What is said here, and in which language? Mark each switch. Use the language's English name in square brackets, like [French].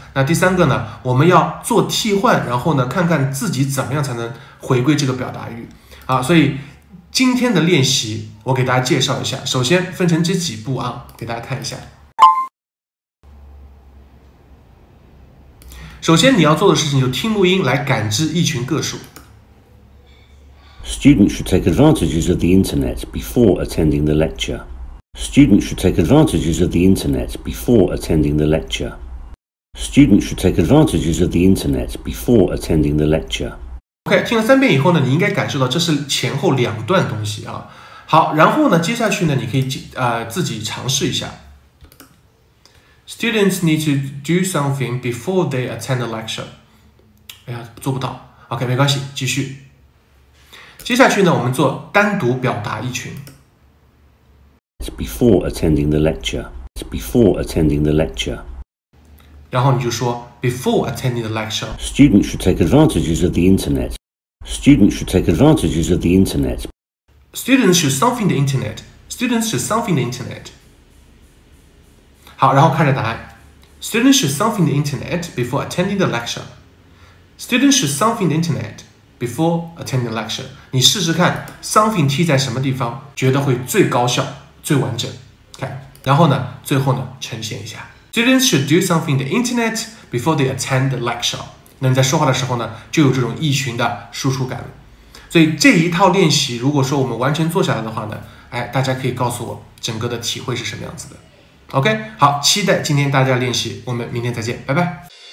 [Chinese] 那第三个呢，我们要做替换，然后呢看看自己怎么样才能回归这个表达欲啊。所以今天的练习我给大家介绍一下，首先分成这几步啊，给大家看一下。首先你要做的事情就听录音来感知一群个数。 [English] Students should take advantages of the internet before attending the lecture. Students should take advantages of the internet before attending the lecture. Students should take advantages of the internet before attending the lecture. [Chinese] OK, 听了三遍以后呢，你应该感受到这是前后两段东西啊。好，然后呢，接下去呢，你可以自己尝试一下。 [English] Students need to do something before they attend the lecture. [Chinese] 哎呀，做不到。OK, 没关系，继续。接下去呢，我们做单独表达一群。 [English] It's before attending the lecture. It's before attending the lecture. [Chinese] 然后你就说 before attending the lecture. [English] Students should take advantages of the internet. Students should take advantages of the internet. Students should something the internet. Students should something the internet. [Chinese] 好，然后看着答案。 [English] Students should something the internet before attending the lecture. Students should something the internet before attending the lecture. [Chinese] 你试试看 something 贴在什么地方觉得会最高效最完整。Okay. 然后呢最后呢呈现一下。 [English] Students should do something the internet before they attend the lecture. [Chinese] 那你在说话的时候呢就有这种异群的输出感。所以这一套练习如果说我们完全做下来的话呢，哎，大家可以告诉我整个的体会是什么样子的。OK, 好，期待今天大家练习，我们明天再见，拜拜。